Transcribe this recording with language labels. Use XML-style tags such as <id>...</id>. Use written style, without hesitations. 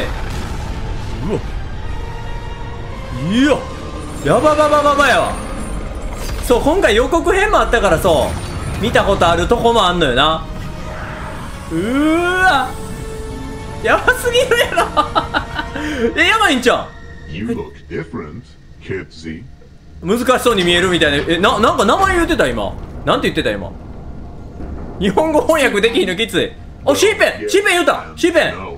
<ja>うお、いや、やばばばばばやわ。そう、今回予告編もあったから、そう見たことあるとこもあんのよな。うーわ、やばすぎるやろ。え、やばいんちゃう。</ja> <en>You look different, Kidsy.</en> <ja>難しそうに見えるみたいな。え、なんか名前言ってた今。なんて言ってた今。日本語翻訳できひんのきつい。あ、シーペン、シーペン言った、シーペン。</ja>